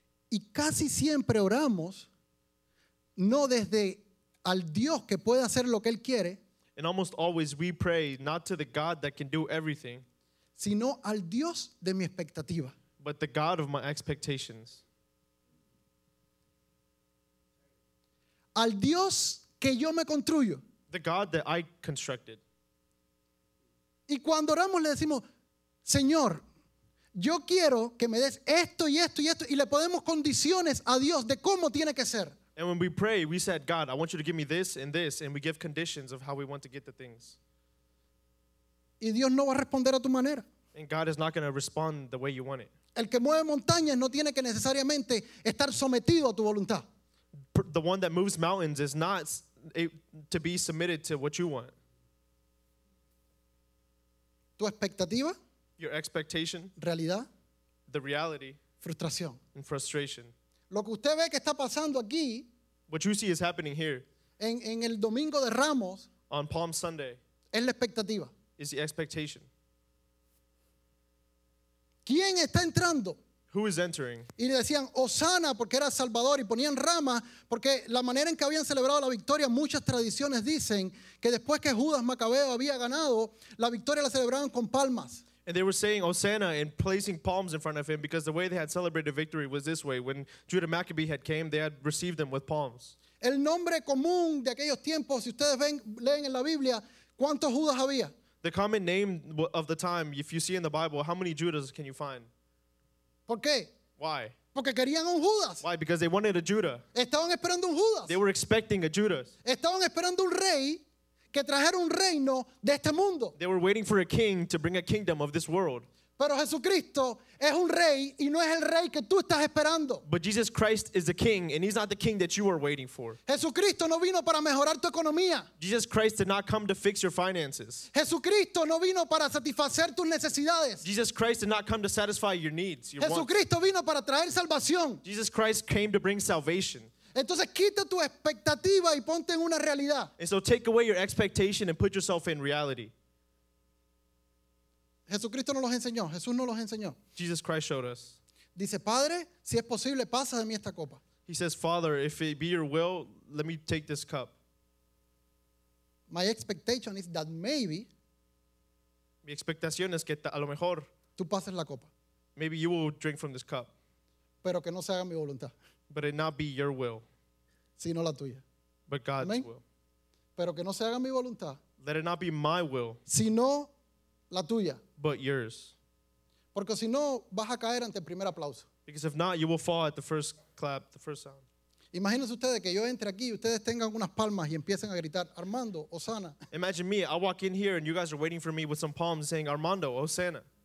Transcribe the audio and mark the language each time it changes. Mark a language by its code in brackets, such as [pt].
[es] Y casi siempre oramos, no desde al Dios que puede hacer lo que Él quiere. [en] And almost always we pray not to the God that can do everything, [es] sino al Dios de mi expectativa. [en] But the God of my expectations. [es] Al Dios que yo me construyo. [en] The God that I constructed. [es] Y cuando oramos le decimos, Señor, yo quiero que me des esto y esto y esto, y le ponemos condiciones a Dios de cómo tiene que ser. [en] And when we pray, we said, God, I want you to give me this and this, and we give conditions of how we want to get the things. [es] Y Dios no va a responder a tu manera. [en] And God is not going to respond the way you want it. [es] El que mueve montañas no tiene que necesariamente estar sometido a tu voluntad. [en] The one that moves mountains is not to be submitted to what you want. [es] Tu expectativa. [en] Your expectation. [es] Realidad. [en] The reality. [es] Frustración. [en] And frustration. [es] Lo que usted ve que está pasando aquí. [en] What you see is happening here. [es] En el Domingo de Ramos. [en] On Palm Sunday. [es] Es la expectativa. [en] Is the expectation. [es] ¿Quién está entrando? [en] Who is entering? [es] Y le decían Hosanna porque era Salvador, y ponían ramas porque la manera en que habían celebrado la victoria, muchas tradiciones dicen que después que Judas Macabeo había ganado, la victoria la celebraban con palmas. [en] And they were saying Hosanna and placing palms in front of him, because the way they had celebrated victory was this way: when Judah Maccabee had came, they had received them with palms. [es] El nombre común de aquellos tiempos, si ustedes ven, leen en la Biblia, ¿cuántos Judas había? [en] The common name of the time, if you see in the Bible, how many Judas can you find? [es] ¿Por qué? [en] Why? [es] Porque querían un Judas. [en] Why? Because they wanted a Judah. [es] Estaban esperando un Judas. [en] They were expecting a Judas. [es] Estaban esperando un rey que trajera un reino de este mundo. [en] They were waiting for a king to bring a kingdom of this world. [es] Pero Jesucristo es un rey y no es el rey que tú estás esperando. [en] But Jesus Christ is the king, and he's not the king that you are waiting for. [es] Jesucristo no vino para mejorar tu economía. [en] Jesus Christ did not come to fix your finances. [es] Jesucristo no vino para satisfacer tus necesidades. [en] Jesus Christ did not come to satisfy your needs, your [es] Jesucristo [en] wants. [es] Vino para traer salvación. [en] Jesus Christ came to bring salvation. [es] Entonces quita tu expectativa y ponte en una realidad. [en] And so take away your expectation and put yourself in reality. [es] Jesucristo no los enseñó. Jesús no los enseñó. [en] Jesus Christ showed us. [es] Dice, Padre, si es posible, pasa de mí esta copa. [en] He says, Father, if it be your will, let me take this cup. My expectation is that maybe. [es] Mi expectación es que a lo mejor. Tú pases la copa. [en] Maybe you will drink from this cup. [es] Pero que no se haga mi voluntad. [en] But it not be your will. [es] Sino la tuya. [en] But God's Amen. Will. [es] Pero que no se haga mi voluntad. [en] Let it not be my will. [es] Sino la tuya. [en] But yours. [es] Porque si no, vas a caer ante el primer aplauso. [en] Because if not, you will fall at the first clap, the first sound. [es] Imagínense ustedes que yo entre aquí y ustedes tengan unas palmas y empiecen a gritar, Armando, Hosanna. [en] Imagine me, I walk in here and you guys are waiting for me with some palms saying, Armando, Hosanna.